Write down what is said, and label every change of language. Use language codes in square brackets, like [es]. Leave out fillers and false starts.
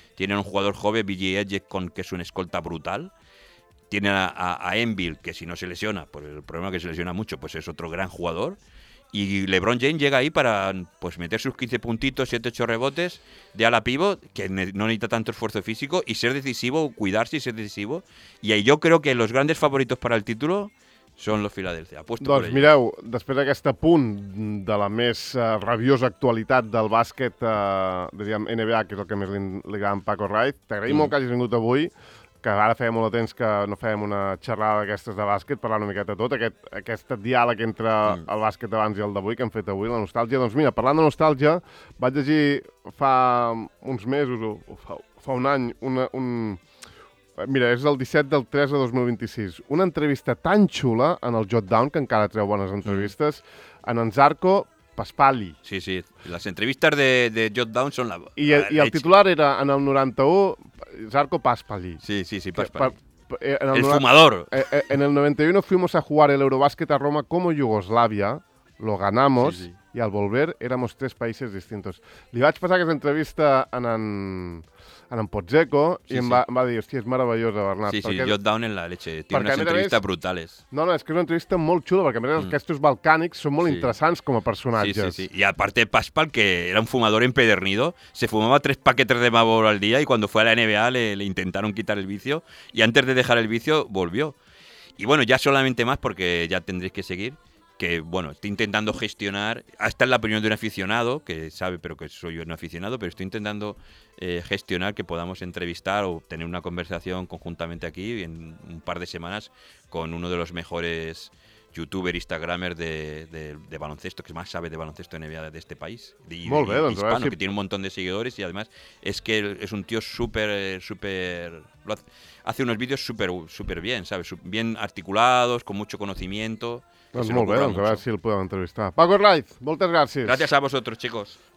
[es] Tienen un jugador joven, B.J. Ejekon, que es una escolta brutal. Tienen a Enbil, que si no se lesiona, por el problema que se lesiona mucho, pues es otro gran jugador. Y LeBron James llega ahí para pues meter sus 15 puntitos, 7-8 rebotes de ala pívot, que no necesita tanto esfuerzo físico, y ser decisivo, cuidarse y ser decisivo. Y ahí yo creo que los grandes favoritos para el título són los Philadelphia. Apuesto [ca] doncs mireu, després d'aquest punt de la més rabiosa actualitat del bàsquet, diríem NBA, que és el que més li agrada a Paco Raiz, t'agraïm molt que hagis vingut avui, que ara feia molt de temps que no fèiem una xerrada d'aquestes de bàsquet, parlant una miqueta de tot, aquest diàleg entre el bàsquet d'abans i el d'avui, que hem fet avui, la nostàlgia. Doncs mira, parlant de nostàlgia, vaig llegir fa uns mesos, fa un any, mira, és el 17/3/2026. Una entrevista tan xula en el Jotdown, que encara treu bones entrevistes, en Anzarco Paspali. Sí, sí. Les entrevistes de Jotdown són la... I el titular era, en el 91, Zarco Paspali. Sí, Paspali. El fumador. [es] En el 91 fuimos a jugar el Eurobásquet a Roma como Yugoslavia. Lo ganamos. Sí, sí. Y al volver éramos 3 países distintos. [ca] Li vaig passar aquesta entrevista en Pozzecco, sí, i em va dir, hòstia, és meravellosa, Bernat. Sí, perquè... [es] Jotdown en la leche, tiene unas entrevistas brutales. [ca] No, és que és una entrevista molt xula, perquè a més aquests balcànics són molt interessants com a personatges. Sí. I a part [es] Paspal, que era un fumador empedernido, se fumava 3 paquetes de Marlboro al dia, i quan fue a la NBA le intentaron quitar el vicio, i antes de dejar el vicio, volvió. Y bueno, ya solamente más, porque ya tendréis que seguir, que bueno, estoy intentando gestionar, esta es la opinión de un aficionado, que sabe, pero que soy yo un aficionado, pero estoy intentando gestionar que podamos entrevistar o tener una conversación conjuntamente aquí en un par de semanas con uno de los mejores youtuber, instagramer de baloncesto, que más sabe de baloncesto NBA de este país, hispano, que tiene un montón de seguidores, y además es que es un tío súper, súper... Hace unos vídeos súper, súper bien, ¿sabes? Bien articulados, con mucho conocimiento... [ca] Doncs molt bé, doncs a veure si el podem entrevistar. Paco Raiz, moltes gràcies. Gràcies a vosaltres, [es] chicos.